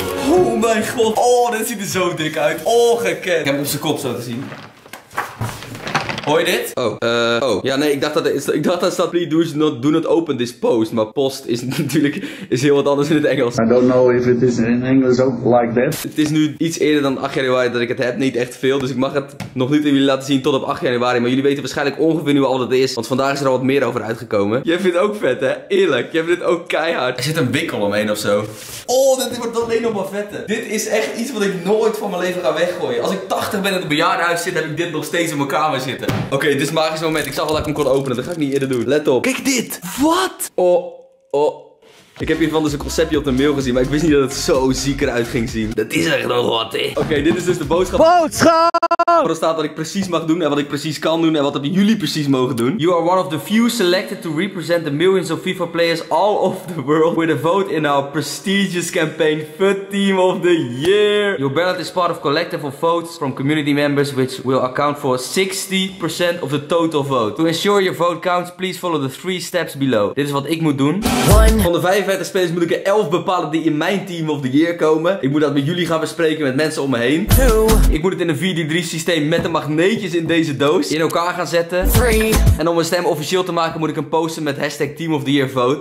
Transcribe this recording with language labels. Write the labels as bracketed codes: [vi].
[nl] Oh mijn god, oh dit ziet er zo dik uit, ongekend. Ik heb hem op zijn kop zo te zien. Hoor je dit? Ja nee, ik dacht dat staat [en] please do not open this post, [nl] maar post is natuurlijk is heel wat anders in het Engels. [en] I don't know if it is in English ook like that. [nl] Het is nu iets eerder dan 8 januari dat ik het heb, niet echt veel, dus ik mag het nog niet in jullie laten zien tot op 8 januari, maar jullie weten waarschijnlijk ongeveer nu al wat het is, want vandaag is er al wat meer over uitgekomen. Jij vindt het ook vet hè, eerlijk, jij vindt het ook keihard. Er zit een wikkel omheen of zo. Oh, dit wordt alleen nog maar vette. Dit is echt iets wat ik nooit van mijn leven ga weggooien. Als ik 80 ben en in het bejaardenhuis zit, heb ik dit nog steeds in mijn kamer zitten. Oké, dit is een magisch moment. Ik zag al dat ik hem kon openen. Dat ga ik niet eerder doen. Let op. Kijk dit. Wat? Oh. Ik heb hiervan dus een conceptje op de mail gezien, maar ik wist niet dat het zo ziek eruit ging zien. Dat is echt nog wat, hè. Oké, dit is dus de boodschap. Boodschap! Waar staat wat ik precies mag doen en wat ik precies kan doen en wat hebben jullie precies mogen doen. [en] You are one of the few selected to represent the millions of FIFA players all over the world with a vote in our prestigious campaign, FUT Team of the Year. Your ballot is part of collective of votes from community members, which will account for 60% of the total vote. To ensure your vote counts, please follow the three steps below. [nl] Dit is wat ik moet doen. Van de 45 spelers moet ik er 11 bepalen die in mijn team of the year komen. Ik moet dat met jullie gaan bespreken met mensen om me heen. 2. Ik moet het in een 4D3 systeem met de magneetjes in deze doos in elkaar gaan zetten. 3. En om mijn stem officieel te maken moet ik een poster met hashtag team of the year vote.